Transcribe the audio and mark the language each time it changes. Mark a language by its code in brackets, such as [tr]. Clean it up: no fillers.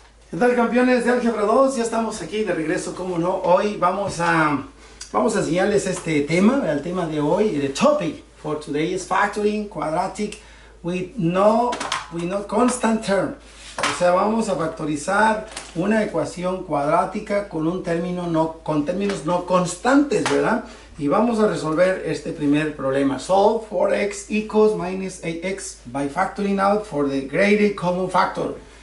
[es] ¿Qué tal, campeones de Álgebra 2? Ya estamos aquí de regreso, cómo no. Hoy vamos a enseñarles este tema, el tema de hoy. [en] The topic for today is factoring quadratic with no constant term. [es] O sea, vamos a factorizar una ecuación cuadrática con un término no, con términos no constantes, ¿verdad? Y vamos a resolver este primer problema. [en] Solve for x equals minus 8x by factoring out for the greater common factor.